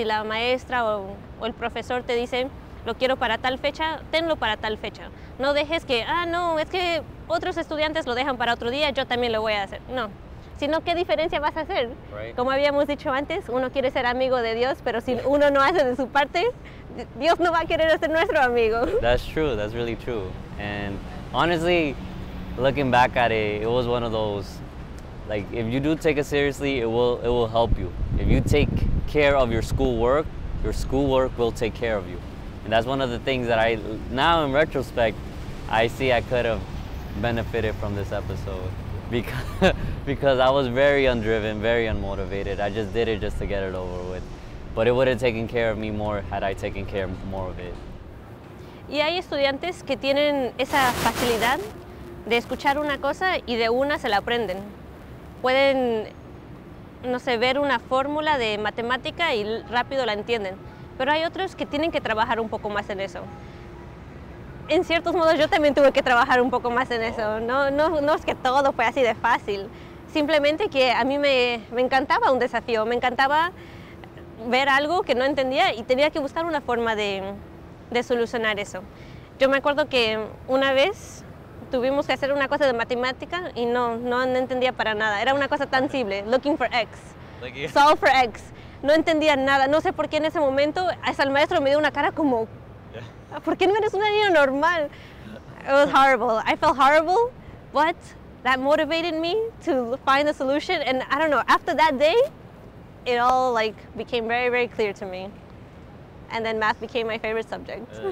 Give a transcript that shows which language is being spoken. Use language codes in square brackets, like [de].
[es] Si la maestra o el profesor te dice, lo quiero para tal fecha, tenlo para tal fecha. No dejes que, ah, no, es que otros estudiantes lo dejan para otro día, yo también lo voy a hacer. No. Sino ¿qué diferencia vas a hacer? [en] Right. [es] Como habíamos dicho antes, uno quiere ser amigo de Dios, pero si uno no hace de su parte, Dios no va a querer ser nuestro amigo. [en] That's true, that's really true. And honestly, looking back at it, it was one of those, like, if you do take it seriously, it will help you. If you take care of your schoolwork will take care of you. And that's one of the things that I, now in retrospect, I see I could have benefited from this episode. Because I was very undriven, very unmotivated. I just did it just to get it over with. But it would have taken care of me more had I taken care more of it. [es] Y hay estudiantes que tienen esa facilidad de escuchar una cosa y de una se la aprenden. Pueden, no sé, ver una fórmula de matemática y rápido la entienden. Pero hay otros que tienen que trabajar un poco más en eso. En ciertos modos, yo también tuve que trabajar un poco más en eso. No es que todo fue así de fácil. Simplemente que a mí me encantaba un desafío. Me encantaba ver algo que no entendía y tenía que buscar una forma de solucionar eso. Yo me acuerdo que una vez tuvimos que hacer una cosa de matemática y no entendía para nada. Era una cosa tan simple. [en] Looking for X. Solve for X. [es] No entendía nada. No sé por qué en ese momento, hasta el maestro me dio una cara como... ¿Por qué no eres una niña normal? [en] It was horrible. I felt horrible, but that motivated me to find the solution. And I don't know, after that day, it all like became very, very clear to me. And then math became my favorite subject.